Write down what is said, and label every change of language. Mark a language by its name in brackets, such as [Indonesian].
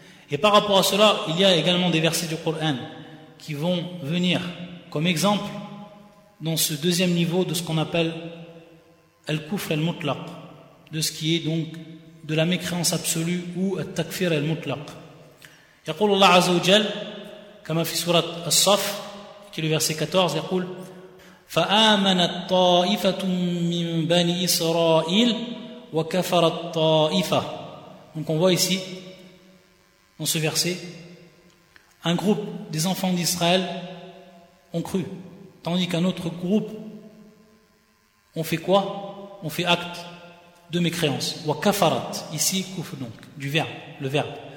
[French] Et par rapport à cela, il y a également des versets du Coran qui vont venir comme exemple dans ce deuxième niveau de ce qu'on appelle al-kufr al-mutlaq, de ce qui est donc de la mécréance absolue ou al-takfir al-mutlaq. [Arabic] يقول الله عز وجل كما في سورة الصف كيلو فيرسي 14 يقول فآمنت طائفة من بني إسرائيل وكفرت طائفة. [French] Donc on voit ici dans ce verset un groupe des enfants d'Israël ont cru tandis qu'un autre groupe ont fait quoi? Ont fait acte de mécréance. وكفرت ici كفر donc du verbe, le verbe.